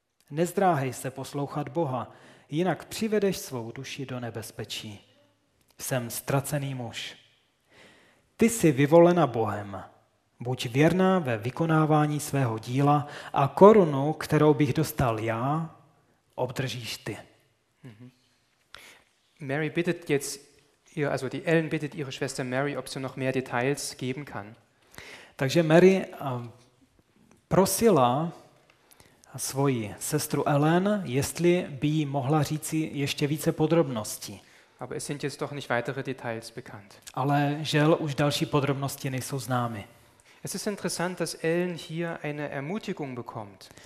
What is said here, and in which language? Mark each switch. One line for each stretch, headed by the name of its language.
Czech: Nezdráhej se poslouchat Boha, jinak přivedeš svou duši do nebezpečí. Jsem ztracený muž. Ty jsi vyvolena Bohem. Buď věrná ve vykonávání svého díla a korunu, kterou bych dostal já, obdržíš ty.
German: Mary bittet jetzt ihr, also die Ellen bittet ihre Schwester Mary, ob sie noch mehr Details geben kann.
Czech: Takže Mary prosila svoji sestru Ellen, jestli by jí mohla říci ještě více podrobností.
German: Aber es sind jetzt doch nicht weitere Details bekannt.
Czech: Ale žel už další podrobnosti nejsou známy.
German: Es ist interessant, dass Ellen hier eine Ermutigung bekommt.